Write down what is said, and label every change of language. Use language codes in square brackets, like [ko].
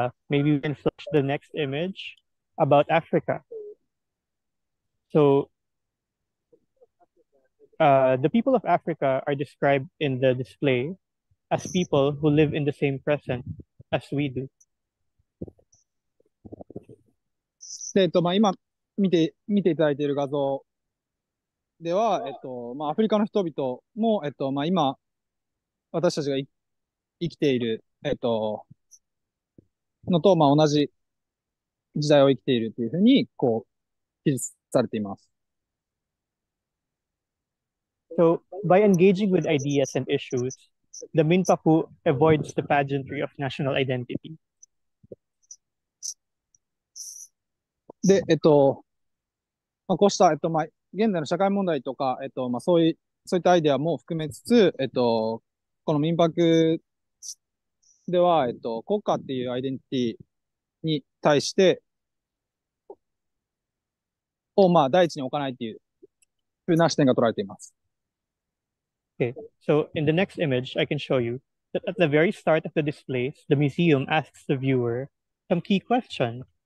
[en] Maybe we can flash the next image. About Africa. So, the people of Africa are described in the display as people who live in the same present as we do. [ja] まあ、今見ていただいている画像では、まあ、アフリカの人々も、まあ、今私たちが生きている、のと、まあ、同じ時代を生きているというふうに、こう、記述されています。 [en] So, by engaging with ideas and issues, the Minpaku avoids the pageantry of national identity. [ja] で、まあ、こうした、まあ、現代の社会問題とか、まあ、そういったアイデアも含めつつ、この民泊では、国家っていうアイデンティティに対して、を、まあ、第一に置かないっていう、ふうな視点が取られています。 [en] Okay, so in the next image, I can show you that at the very start of the displays, the museum asks the viewer some key questions.